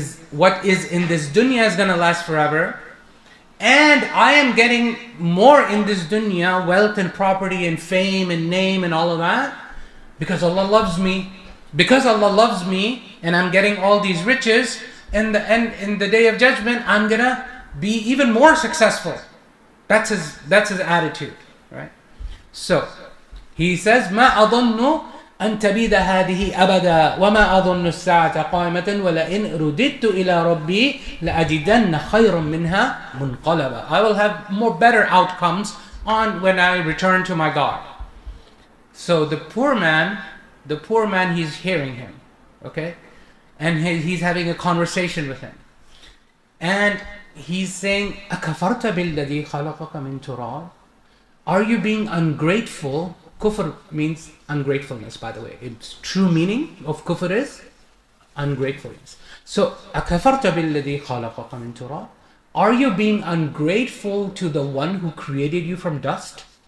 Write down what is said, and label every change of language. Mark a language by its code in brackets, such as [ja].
[en] What is in this dunya is going to last forever. And I am getting more in this dunya, wealth and property and fame and name and all of that. Because Allah loves me. Because Allah loves me and I'm getting all these riches, in the day of judgment, I'm going to be even more successful. That's his attitude, right? So, he says, [ar] مَا أَظُنُّ أَن تَبِيدَ هَذِهِ أَبَدًا وَمَا أَظُنُّ السَّاعَةَ قَائِمَةً وَلَئِنْ رُدِدْتُ إِلَىٰ رَبِّي لَأَجِدَنَّ خَيْرٌ مِّنْهَا مُنْقَلَبًا. [en] I will have more better outcomes on when I return to my God. So the poor man, he's hearing him, okay? And he's having a conversation with him. And he's saying, [ar] أَكَفَرْتَ بِالَّذِي خَلَقَكَ مِنْ تُرَابٍ. [en] Are you being ungrateful? Kufr means ungratefulness, by the way. Its true meaning of kufr is ungratefulness. [ar] So, أَكَفَرْتَ بِالَّذِي خَلَقَكَ مِنْ تُرَابٍ. [en] Are you being ungrateful to the one who created you from dust?